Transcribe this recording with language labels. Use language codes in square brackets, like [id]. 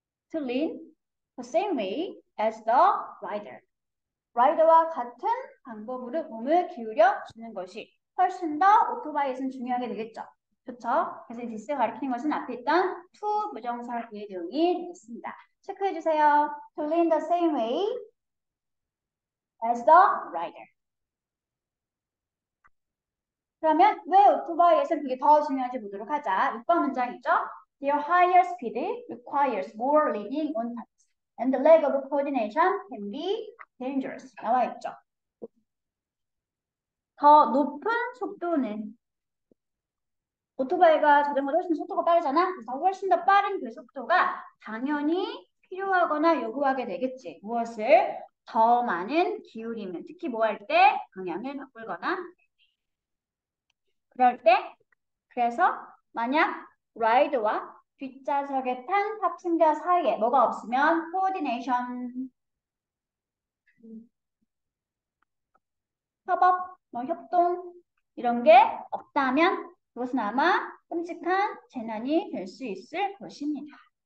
[en] To lean the same way as the rider. [ko] 라이더와 같은 방법으로 몸을 기울여 주는 것이 훨씬 더 오토바이에서는 중요하게 되겠죠. 좋죠? 그래서 this 가리키는 것은 앞에 있던 to 부정사 뒤의 내용이 되겠습니다. 체크해 주세요. [en] To lean the same way as the rider. [ko] 그러면 왜 오토바이에서는 그게 더 중요한지 보도록 하자. 6번 문장이죠. [en] Your higher speed requires more leaning on pads, and the lack of coordination can be dangerous. [ko] 나와 있죠. 더 높은 속도는 오토바이가 자전거보다 훨씬 속도가 빠르잖아. 그래서 훨씬 더 빠른 그 속도가 당연히 필요하거나 요구하게 되겠지. 무엇을 더 많은 기울이면 특히 뭐할때 방향을 바꿀거나 그럴 때 그래서 만약 라이드와 뒷좌석에 탄 탑승자 사이에 뭐가 없으면 코디네이션 협업, 뭐 협동 이런 게 없다면 그것은 아마 끔찍한 재난이 될 수 있을 것입니다.